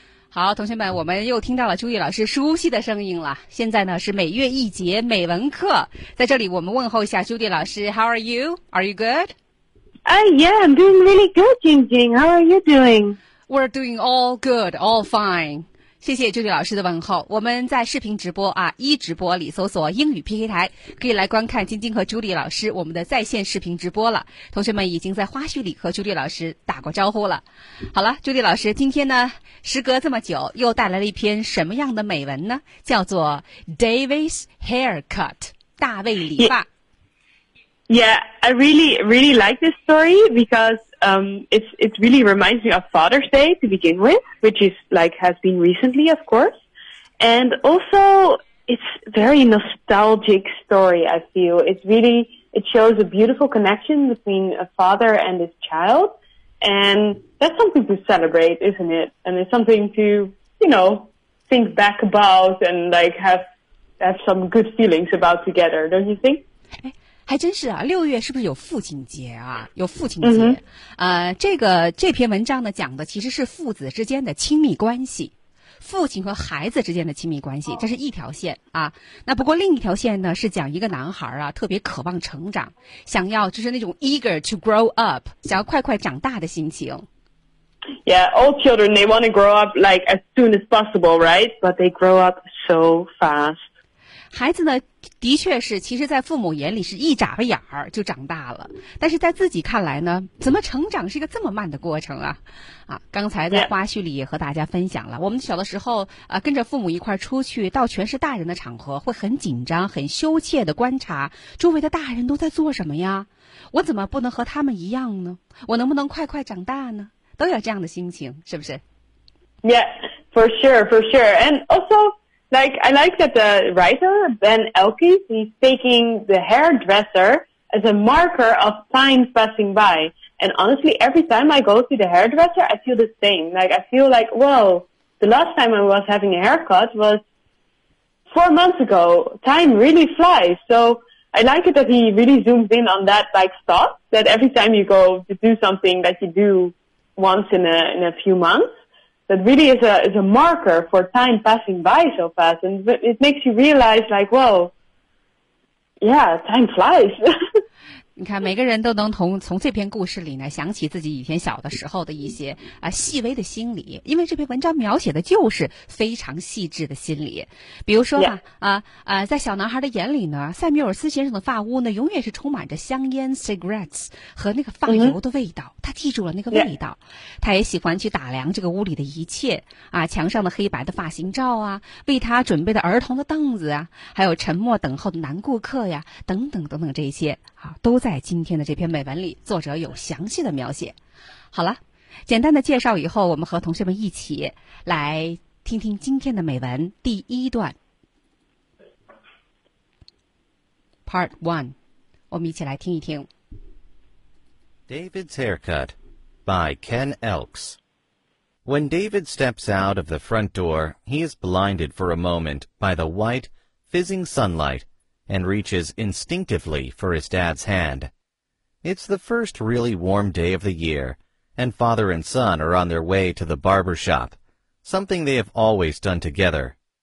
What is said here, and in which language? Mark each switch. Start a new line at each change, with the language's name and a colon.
Chinese: 好，同学们，我们又听到了朱毅老师熟悉的声音了。现在呢是每月一节美文课，在这里我们问候一下朱毅老师。
English: How are you? Are you good? Yeah, I'm doing really good, Jingjing. How are you doing? We're doing all good, all fine.
Chinese: 谢谢朱毅老师的问候。我们在视频直播啊，一直播里搜索英语 PK 台，可以来观看晶晶和朱毅老师我们的在线视频直播了。同学们已经在花絮里和朱毅老师打过招呼了。好了，朱毅老师，今天呢时隔这么久又带来了一篇什么样的美文呢？叫做 David's Haircut, 大卫理发。
English: Yeah, I really, really like this story because it really reminds me of Father's Day to begin with, which is like has been recently, of course. And also, it's very nostalgic story, I feel. It shows a beautiful connection between a father and his child. And that's something to celebrate, isn't it? And it's something to, you know, think back about and like have some good feelings about together, don't you think?
Chinese: 还真是啊，六月是不是有父亲节啊？有父亲节，这篇文章呢讲的其实是父子之间的亲密关系，父亲和孩子之间的亲密关系，这是一条线啊。那不过另一条线呢，是讲一个男孩啊，特别渴望成长，想要就是那种
English: eager to grow up,
Chinese: 想要快快长大的心情。
English: Yeah, all children they want to grow up like as soon as possible, right? But they grow up so fast.
Chinese: 孩子呢的确是其实在父母眼里是一眨巴眼儿就长大了，但是在自己看来呢，怎么成长是一个这么慢的过程啊。啊，刚才在花絮里也和大家分享了，我们小的时候跟着父母一块出去到全是大人的场合，会很紧张很羞怯的观察周围的大人都在做什么呀，我怎么不能和他们一样呢，我能不能快快长大呢，都有这样的心情，是不是？
English: Yeah, for sure, for sure. And alsoLike, I like that the writer, Ben Elkins, he's taking the hairdresser as a marker of time passing by. And honestly, every time I go to the hairdresser, I feel the same. Like, I feel like, whoa, the last time I was having a haircut was 4 months ago. Time really flies. So I like it that he really zooms in on that, like, thought that every time you go to do something that you do once in a few months,That really is a marker for time passing by so fast. And it makes you realize like, well, yeah, time flies.
Chinese: 你看每个人都能从这篇故事里呢想起自己以前小的时候的一些细微的心理。因为这篇文章描写的就是非常细致的心理。比如说啊、在小男孩的眼里呢，塞缪尔斯先生的发屋呢永远是充满着香烟 cigarettes 和那个发油的味道。他记住了那个味道。他也喜欢去打量这个屋里的一切啊，墙上的黑白的发型照啊，为他准备的儿童的凳子啊，还有沉默等候的男顾客呀，等等等等这些。都在今天的这篇美文里，作者有详细的描写。好了，简单的介绍以后，我们和同学们一起来听听今天的美文第一段 Part 1，我们一起来听一听。
English: David's Haircut by Ken Elkes. When David steps out of the front door, he is blinded for a moment by the white, fizzing sunlightand reaches instinctively for his dad's hand. It's the first really warm day of the year, and father and son are on their way to the barber shop, something they have always done together.